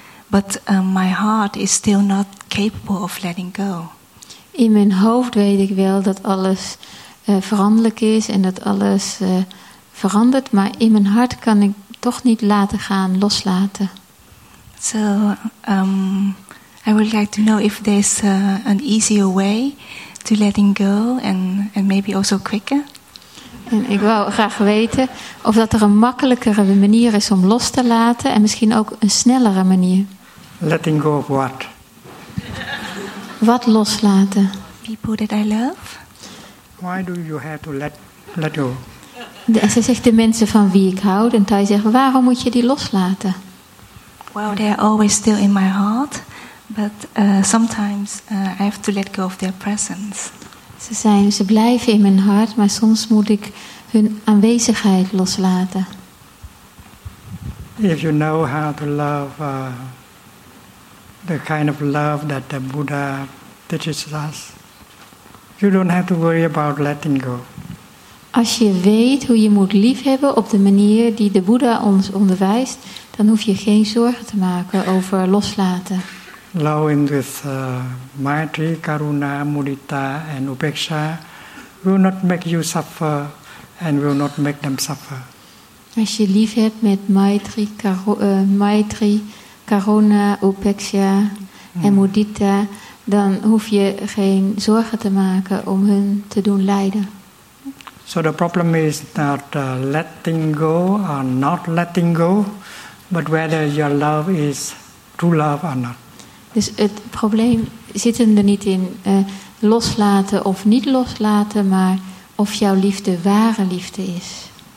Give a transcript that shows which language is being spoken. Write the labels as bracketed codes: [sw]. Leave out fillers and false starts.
[en] But my heart is still not capable of letting go. [nl] In mijn hoofd weet ik wel dat alles veranderlijk is en dat alles verandert, maar in mijn hart kan ik toch niet laten gaan, loslaten. [en] So, I would like to know if there's an easier way to letting go and maybe also quicker. [nl] En ik wou graag weten of dat er een makkelijkere manier is om los te laten en misschien ook een snellere manier. [en] Letting go of what? [nl] Wat loslaten? [en] People that I love. Why do you have to let go? [nl] Ze zegt de mensen van wie ik houd. En Thay zegt, waarom moet je die loslaten? [en] Well, they are always still in my heart. But sometimes I have to let go of their presence. [nl] Ze blijven in mijn hart, maar soms moet ik hun aanwezigheid loslaten. [en] If you know how to love... The kind of love that the Buddha teaches us. You don't have to worry about letting go. [nl] Als je weet hoe je moet liefhebben op de manier die de Buddha ons onderwijst, dan hoef je geen zorgen te maken over loslaten. [en] Loving with maitri, karuna, mudita and upeksha will not make you suffer and will not make them suffer. [nl] Als je liefhebt met maitri, Karuna, Upeksha en Mudita, dan hoef je geen zorgen te maken om hun te doen lijden. [en] So the problem is not letting go or not letting go, but whether your love is true love or not. [nl] Dus het probleem zit er niet in loslaten of niet loslaten, maar of jouw liefde ware liefde is.